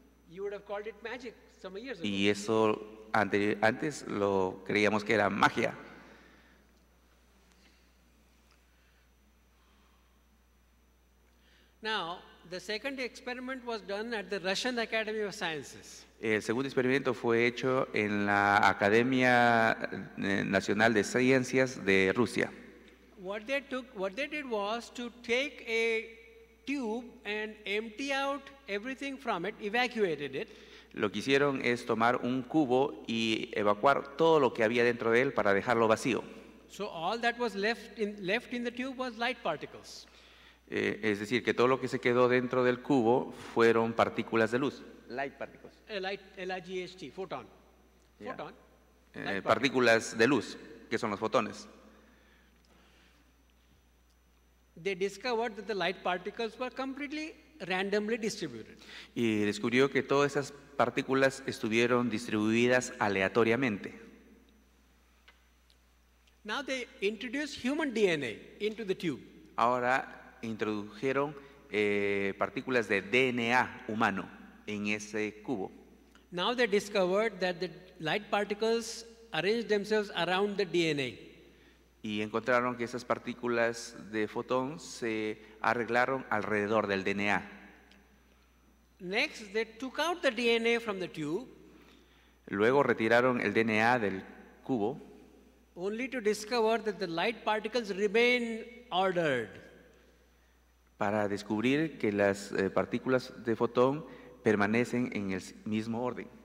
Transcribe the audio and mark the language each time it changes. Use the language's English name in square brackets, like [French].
[English] You would have called it magic some years ago. [Spanish] Y eso antes lo creíamos que era magia. [English] Now, the second experiment was done at the Russian Academy of Sciences. [Spanish] El segundo experimento fue hecho en la Academia Nacional de Ciencias de Rusia. [English] What they did was to take a tube and empty out everything from it, evacuated it. [Spanish] Lo que hicieron es tomar un cubo y evacuar todo lo que había dentro de él para dejarlo vacío. [English] So all that was left in the tube was light particles. [Spanish] Es decir, que todo lo que se quedó dentro del cubo fueron partículas de luz. Light particles. [English] L-I-G-H-T, photon. Yeah. Photon. [Spanish] Partículas de luz, que son los fotones. [English] They discovered that the light particles were completely randomly distributed. [Spanish] Y descubrió que todas esas partículas estuvieron distribuidas aleatoriamente. [English] Now they introduced human DNA into the tube. [Spanish] Ahora introdujeron partículas de DNA humano en ese cubo. [English] Now they discovered that the light particles arranged themselves around the DNA. [Spanish] Y encontraron que esas partículas de fotón se arreglaron alrededor del DNA. [English] Next, they took out the DNA from the tube. [Spanish] Luego retiraron el DNA del cubo. [English] Only to discover that the light particles remain ordered. [Spanish] Para descubrir que las partículas de fotón permanecen en el mismo orden.